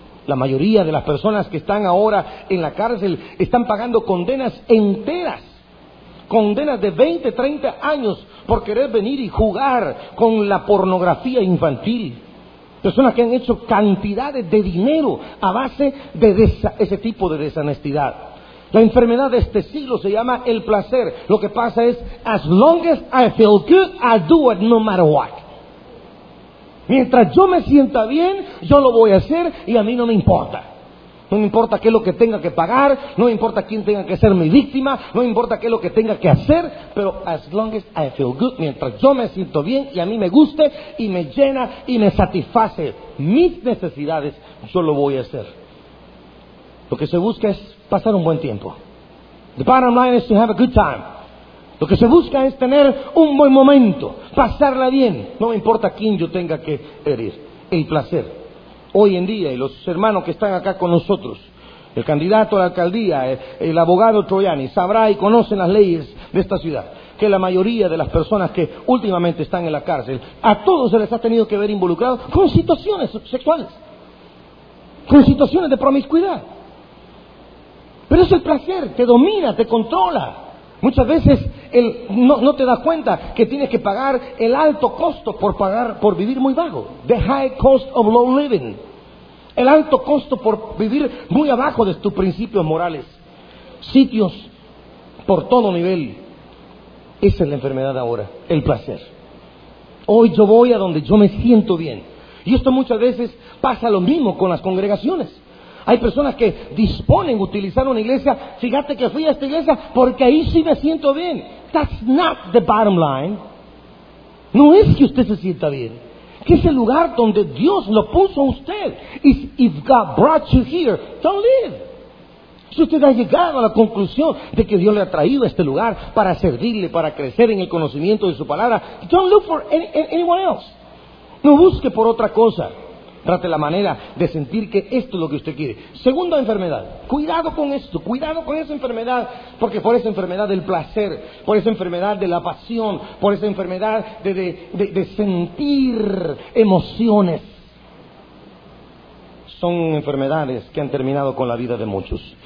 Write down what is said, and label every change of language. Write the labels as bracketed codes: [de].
[es] La mayoría de las personas que están ahora en la cárcel están pagando condenas enteras, condenas de 20, 30 años por querer venir y jugar con la pornografía infantil. Personas que han hecho cantidades de dinero a base de ese tipo de deshonestidad. La enfermedad de este siglo se llama el placer. Lo que pasa es, [en] as long as I feel good, I do it no matter what. [es] Mientras yo me sienta bien, yo lo voy a hacer y a mí no me importa. No me importa qué es lo que tenga que pagar, no me importa quién tenga que ser mi víctima, no me importa qué es lo que tenga que hacer, pero [en] as long as I feel good, [es] mientras yo me siento bien y a mí me guste y me llena y me satisface mis necesidades, yo lo voy a hacer. Lo que se busca es pasar un buen tiempo. [en] The bottom line is to have a good time. [es] Lo que se busca es tener un buen momento, pasarla bien. No me importa quién yo tenga que herir, el placer. Hoy en día, y los hermanos que están acá con nosotros, el candidato a la alcaldía, el abogado Troiani, sabrá y conoce las leyes de esta ciudad, que la mayoría de las personas que últimamente están en la cárcel, a todos se les ha tenido que ver involucrados con situaciones sexuales, con situaciones de promiscuidad. Pero es el placer, te domina, te controla. Muchas veces no te das cuenta que tienes que pagar el alto costo por vivir muy bajo. [en] The high cost of low living. [es] El alto costo por vivir muy abajo de tus principios morales. Sitios por todo nivel. Esa es la enfermedad ahora, el placer. Hoy yo voy a donde yo me siento bien. Y esto muchas veces pasa lo mismo con las congregaciones. Hay personas que disponen a utilizar una iglesia. Fíjate que fui a esta iglesia porque ahí sí me siento bien. [en] That's not the bottom line. [es] No es que usted se sienta bien. Que es el lugar donde Dios lo puso a usted. [en] If God brought you here, don't leave. [es] Si usted ha llegado a la conclusión de que Dios le ha traído a este lugar para servirle, para crecer en el conocimiento de su palabra, [en] don't look for anyone else. [es] No busque por otra cosa. trate la manera de sentir que esto es lo que usted quiere. Segunda enfermedad, cuidado con esto, cuidado con esa enfermedad, porque por esa enfermedad del placer, por esa enfermedad de la pasión, por esa enfermedad de sentir emociones, son enfermedades que han terminado con la vida de muchos.